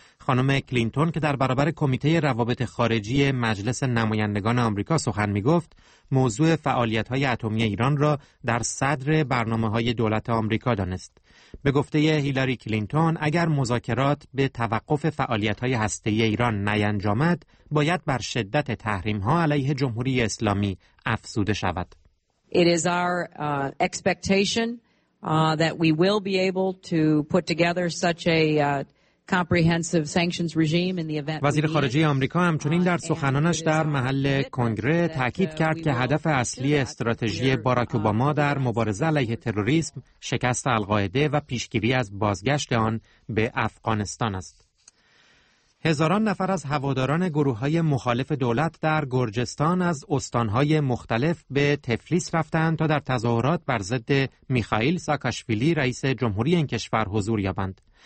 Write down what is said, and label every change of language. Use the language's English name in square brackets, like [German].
[Persian] خانم کلینتون که در برابر کمیته روابط خارجی مجلس نمایندگان آمریکا سخن می‌گفت، موضوع فعالیت‌های اتمی ایران را در صدر برنامه‌های دولت آمریکا دانست. به گفته هیلاری کلینتون، اگر مذاکرات به توقف فعالیت‌های هسته‌ای ایران نینجامد، باید بر شدت تحریم‌ها علیه جمهوری اسلامی افزوده شود. [English] It is our expectation that we will be able to put together such a comprehensive sanctions regime in the event. [Persian] وزیر خارجه آمریکا همچنین در سخنانش در محل کنگره تاکید کرد که هدف اصلی استراتژی باراک اوباما در مبارزه علیه تروریسم شکست القاعده و پیشگیری از بازگشت آن به افغانستان است. هزاران نفر از هواداران گروه‌های مخالف دولت در گرجستان از استان‌های مختلف به تفلیس رفتند تا در تظاهرات بر ضد میخائیل ساکاشویلی رئیس جمهوری این کشور حضور یابند.